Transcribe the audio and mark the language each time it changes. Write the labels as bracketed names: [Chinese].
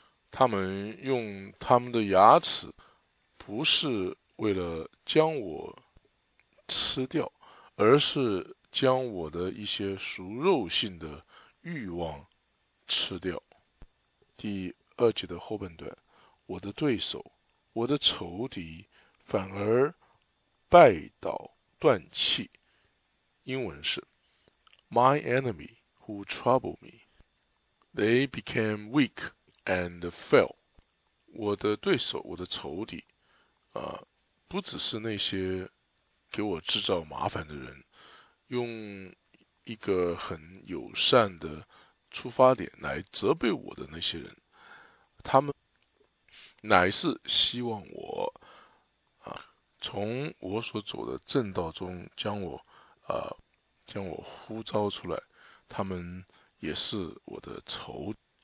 [Chinese] 他们用他们的牙齿不是为了将我吃掉，而是将我的一些熟肉性的欲望吃掉。第二节的后半段，我的对手，我的仇敌反而拜倒断气。英文是 [English] My enemy who trouble me, they became weak and fell. [Chinese] 我的对手，我的仇敌，不只是那些给我制造麻烦的人，用一个很友善的出发点来责备我的那些人，他们乃是希望我，从我所走的正道中将我，将我呼召出来，他们也是我的仇。